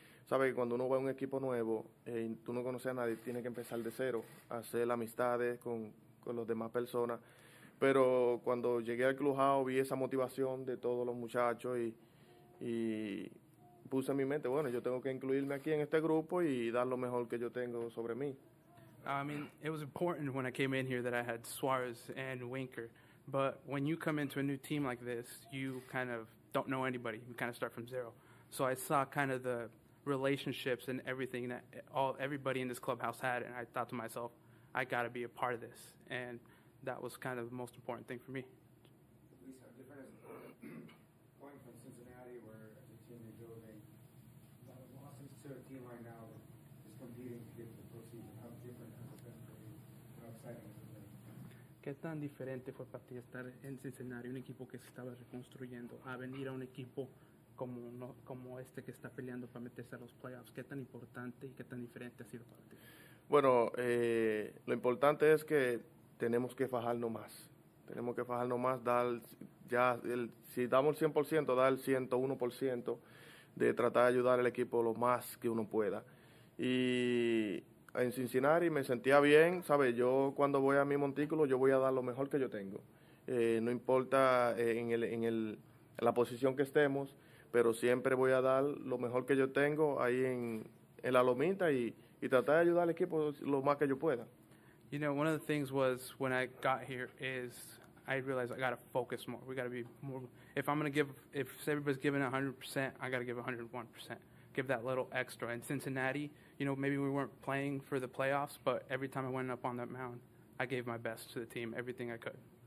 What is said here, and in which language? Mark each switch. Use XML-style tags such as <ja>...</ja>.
<es>Sabe que cuando uno va a un equipo nuevo, tú no conoces a nadie, tiene que empezar de cero, hacer amistades con las demás personas. Pero cuando llegué al clubhouse vi esa motivación de todos los muchachos y puse en mi mente, bueno, yo tengo que incluirme aquí en este grupo y dar lo mejor que yo tengo sobre mí.</es> <en>I mean, it was important when I came in here that I had Suarez and Winker. But when you come into a new team like this, you kind of don't know anybody. You kind of start from zero. So I saw kind of the relationships and everything that everybody in this clubhouse had, and I thought to myself, I got to be a part of this. And that was kind of the most important thing for me. Luis, how different is going from Cincinnati, where as a team you're building, a lot of losses, to a team right now that is competing to get the postseason? How different has it been for you? How exciting has it been?</en> <es>¿Qué tan diferente fue para ti estar en Cincinnati, un equipo que se estaba reconstruyendo, a venir a un equipo como, no, como este que está peleando para meterse a los playoffs? ¿Qué tan importante y qué tan diferente ha sido para ti? Bueno, lo importante es que tenemos que fajarnos más. Tenemos que fajarnos más, si damos el 100%, dar el 101% de tratar de ayudar al equipo lo más que uno pueda. Y en Cincinnati me sentía bien, ¿sabes? Yo cuando voy a mi montículo, yo voy a dar lo mejor que yo tengo. No importa en la posición que estemos, pero siempre voy a dar lo mejor que yo tengo ahí en la lomita y tratar de ayudar al equipo lo más que yo pueda.</es> <en>You know, one of the things was when I got here is I realized I got to focus more. We got to be more. If everybody's giving 100%, I got to give 101%. Give that little extra. In Cincinnati, you know, maybe we weren't playing for the playoffs, but every time I went up on that mound, I gave my best to the team, everything I could.</en>